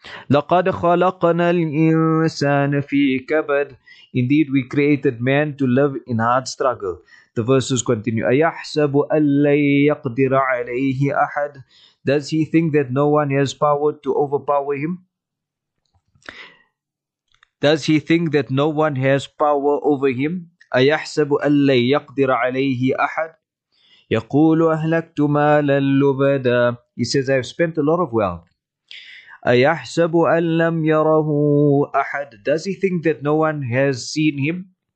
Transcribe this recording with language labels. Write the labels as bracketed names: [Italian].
[Arabic] لَقَدْ خَلَقَنَا الْإِنسَانَ فِي كَبَدٍ, [English] indeed we created man to live in hard struggle. The verses continue, [Arabic] أَيَحْسَبُ أَلَّا يَقْدِرَ عَلَيْهِ أَحَدٍ, [English] does he think that no one has power to overpower him? Does he think that no one has power over him? [Arabic] أَيَحْسَبُ أَلَّا يَقْدِرَ عَلَيْهِ أَحَدٍ يَقُولُ أَهْلَكْتُ مَالًا لُبَدًا, [English] he says, I've spent a lot of wealth. [Arabic] أَيَحْسَبُ أَنْ لَمْ يَرَهُ أَحَدٍ, [English] does he think that no one has seen him?